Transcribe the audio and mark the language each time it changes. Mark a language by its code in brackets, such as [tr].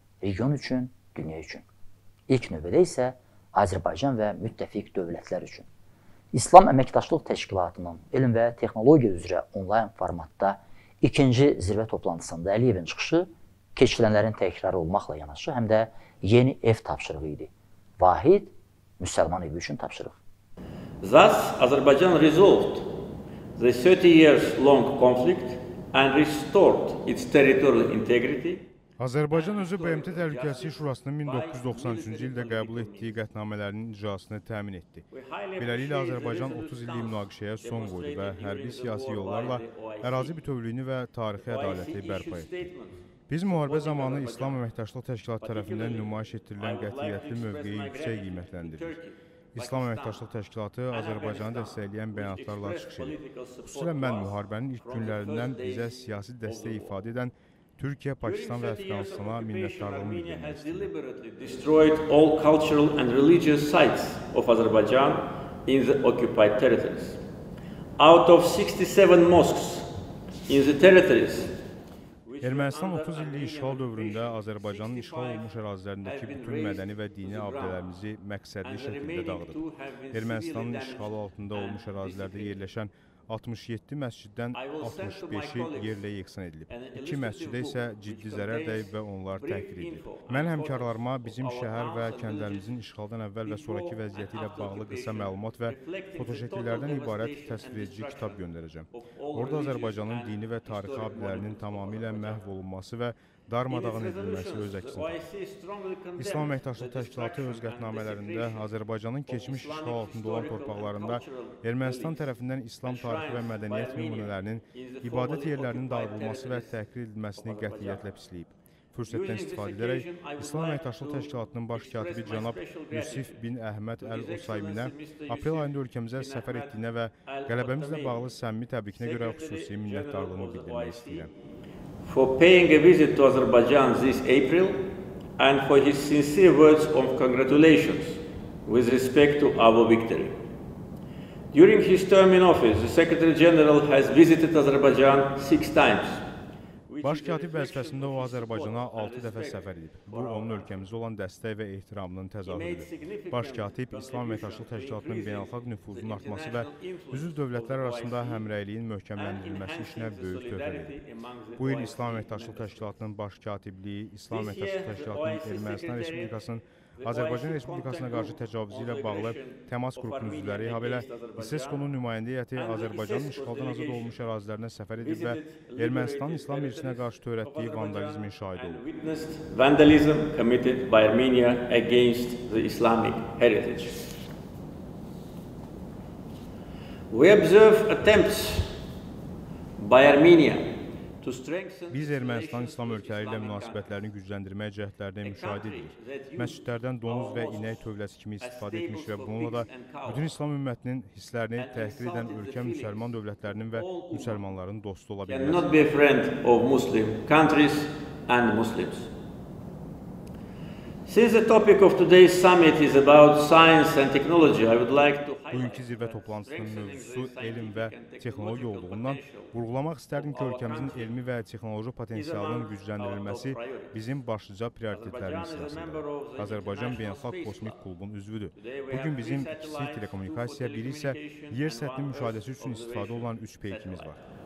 [az] Region üçün, dünya üçün. İlk növbədə isə Azərbaycan və müttəfiq dövlətlər üçün. İslam Əməkdaşlıq Təşkilatının elm və texnologiya üzrə onlayn formatda ikinci zirvə toplantısında Əliyevin çıxışı keçilənlərin təkrarı olmaqla yanaşı, həm də yeni ev tapşırığı idi. Vahid müsəlman evi üçün tapşırıq. [en] Thus, Azerbaijan resolved the 30 years long conflict and restored its territorial integrity. [az] Azərbaycan özü BMT Təhlükəsizlik Şurasının 1993-cü ildə qəbul etdiyi qətnamələrinin icrasını təmin etdi. Beləliklə, Azərbaycan 30 illik münaqişəyə son qoydu və hərbi siyasi yollarla ərazi bütövlüyünü və tarixi ədaləti bərpa etdi. Biz müharibə zamanı İslam Əməkdaşlıq Təşkilatı tərəfindən nümayiş etdirilən qətiyyətli mövqeyi yüksək qiymətləndiririk. İslam Əməkdaşlıq Təşkilatı Azərbaycanı dəstəkləyən bəyanatlarla çıxış edib. Xüsusilə mən müharibənin ilk günlərindən bizə siyasi dəstək ifadə edən Türkiyə, Pakistan və Əfqanistana minnətdarlığımı [en] destroyed all cultural and religious sites of Azerbaijan in the occupied territories. Out of 67 mosques in the territories. [az] Ermənistan 30 illik işğal dövründə Azərbaycanın işğal olmuş ərazilərindəki bütün mədəni və dini abidələrimizi məqsədli şəkildə dağıdıb. Ermənistanın işğalı altında olmuş ərazilərdə yerləşən 67 məsciddən 65-i yerlə yeksan edilib. İki məsciddə isə ciddi zərər dəyib və onlar təhqir edilib. Mən həmkarlarıma bizim şəhər və kəndlərimizin işğaldan əvvəl və sonrakı vəziyyəti ilə bağlı qısa məlumat və fotoşəkillərdən ibarət təsvir edici kitab göndərəcəm. Orada Azərbaycanın dini və tarixi abidələrinin tamamilə məhv olunması və darmadağın edilməsi öz əksində. İslam Əməkdaşlıq Təşkilatı öz qətnamələrində Azərbaycanın keçmiş işğal altında olan torpaqlarında Ermənistan tərəfindən İslam tarixi və mədəniyyət nümunələrinin ibadət yerlərinin dağıdılması və təhqir edilməsini qətiyyətlə pisləyib. Fürsətdən istifadə edərək, İslam Əməkdaşlıq Təşkilatının baş katibi cənab Yusif bin Əhməd Əl-Usayminə aprel ayında ölkəmizə səfər etdiyinə və qələbəmizlə bağlı səmimi təbrikinə görə xüsusi minnətdarlığımı bildirmək istəyirəm. [en] For paying a visit to Azerbaijan this April and for his sincere words of congratulations with respect to our victory. During his term in office, the Secretary General has visited Azerbaijan six times. [az] Başkatib vəzifəsində o Azərbaycana 6 dəfə səfər edib. Bu, onun ölkəmizə olan dəstək və ehtiramının təzahürüdür. Başkatib İslam Əməkdaşlıq Təşkilatının beynəlxalq nüfuzunun artması və üzv dövlətlər arasında həmrəyliyin möhkəmləndirilməsi işinə böyük töhfə verir. Bu il İslam Əməkdaşlıq Təşkilatının Başkatibliyi, İslam Əməkdaşlıq Təşkilatının Ermənistan Respublikasının Azərbaycan Respublikasına qarşı təcavüzü ilə bağlı təmas qrupunun üzvləri, habelə İSESCO-nun nümayəndə heyəti Azərbaycanın işğaldan azad olunmuş ərazilərinə səfər edib və Ermənistan İslam Meclisinə qarşı törətdiyi vandalizmin şahidi olub. [en] Vandalism committed by Armenia against the Islamic heritage. We observe attempts by Armenia. [az] Biz Ermənistan İslam ölkələri ilə münasibətlərini gücləndirmək cəhətlərində müşahidə edirik. Məscidlərdən donuz və inək tövləsi kimi istifadə etmiş və bununla da bütün İslam ümmətinin hisslərini təhqir edən ölkə müsəlman dövlətlərinin və müsəlmanların dostu ola bilər. [en] Cannot be a friend of Muslim countries and Muslims. Since the topic of today's summit is about science and technology, I would like to highlight. [az] Bugünkü zirvə toplantısının mövzusu elm və texnologiya olduğundan vurğulamaq istərdim ki, ölkəmizin elmi və texnoloji potensialının gücləndirilməsi bizim başlıca prioritetlərimiz sırasındadır. Azərbaycan Beynəlxalq Kosmik Klubun üzvüdür. Bugün bizim ikisi telekommunikasiya, biri isə yer səthinin müşahidəsi üçün istifadə olan 3 peykimiz var.